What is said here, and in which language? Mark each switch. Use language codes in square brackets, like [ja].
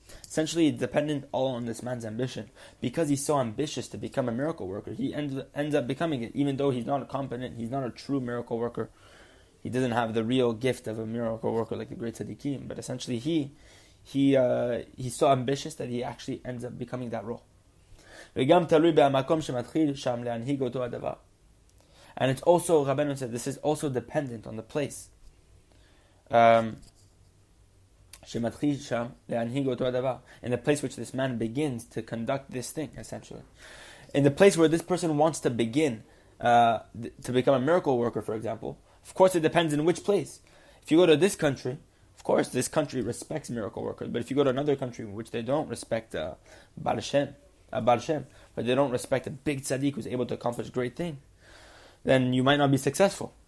[en] Essentially, it's dependent all on this man's ambition. Because he's so ambitious to become a miracle worker, he ends up becoming it, even though he's not a competent, he's not a true miracle worker. He doesn't have the real gift of a miracle worker like the great Tzaddikim. But essentially, he's so ambitious that he actually ends up becoming that role. [he] וגם תלוי במקום שמתחיל שם להנהיג אותו הדבר. [en] And it's also, Rabbeinu said, this is also dependent on the place. [he] שמתחיל שם להנהיג אותו הדבר. [en] In the place which this man begins to conduct this thing, essentially. In the place where this person wants to begin to become a miracle worker, for example, of course it depends in which place. If you go to this country, of course this country respects miracle workers, but if you go to another country in which they don't respect Baal Shem, but they don't respect a big tzaddik who's able to accomplish a great thing, then you might not be successful.